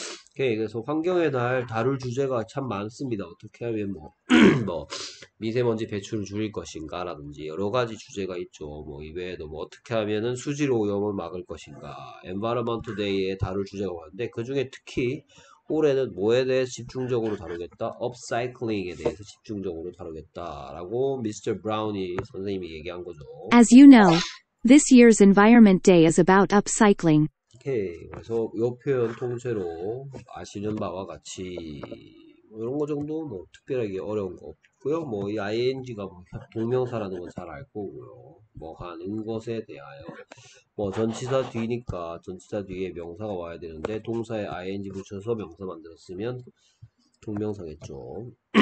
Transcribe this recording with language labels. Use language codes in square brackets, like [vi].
[ko] 오케이, 그래서 환경의 날 다룰 주제가 참 많습니다. 어떻게 하면 뭐 미세먼지 배출을 줄일 것인가라든지 여러 가지 주제가 있죠. 뭐 이외에도 뭐 어떻게 하면은 수질 오염을 막을 것인가. environment day에 다룰 주제가 많은데 그 중에 특히 올해는 뭐에 대해 집중적으로 다루겠다? 업사이클링에 대해서 집중적으로 다루겠다라고 미스터 브라우니 선생님이 얘기한 거죠. [en] As you know, this year's Environment Day is about upcycling. [ko] 오케이. 그래서 요 표현 통째로 아시는 바와 같이 이런 거 정도 뭐 특별하게 어려운 거 없고요. 뭐이 ing가 뭐 동명사라는 건잘 알고고요. 뭐 하는 것에 대하여 뭐 전치사 뒤니까 전치사 뒤에 명사가 와야 되는데 동사에 ing 붙여서 명사 만들었으면 동명사겠죠.